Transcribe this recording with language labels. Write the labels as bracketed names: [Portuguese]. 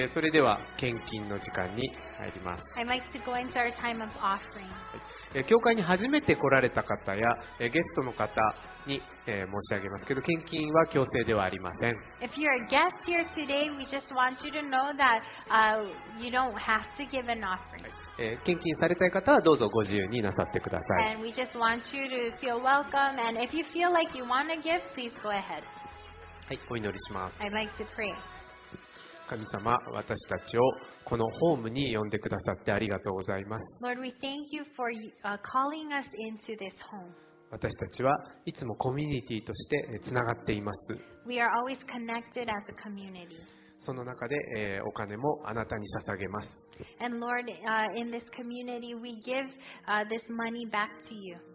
[Japanese] はい、それでは献金の時間に入ります。 [English] I'd like to go into our time of offering. [Japanese] 教会に初めて来られた方や、ゲストの方に、申し上げますけど、献金は強制ではありません。 [English] If you're a guest here today, we just want you to know that, you don't have to give an offering. [Japanese] 献金されたい方はどうぞご自由になさってください。 [English] And we just want you to feel welcome, and if you feel like you want to give, please go ahead. [Japanese] はい、お祈りします。 [English] I'd like to pray. [Japanese] 神様、私たちをこのホームに呼んでくださってありがとうございます。 [English] Lord, we thank you for calling us into this home. [Japanese] 私たちはいつもコミュニティとしてつながっています。 [English] We are always connected as a community. [Japanese] その中で、お金もあなたに捧げます。 [English] And Lord, in this community, we give this money back to you.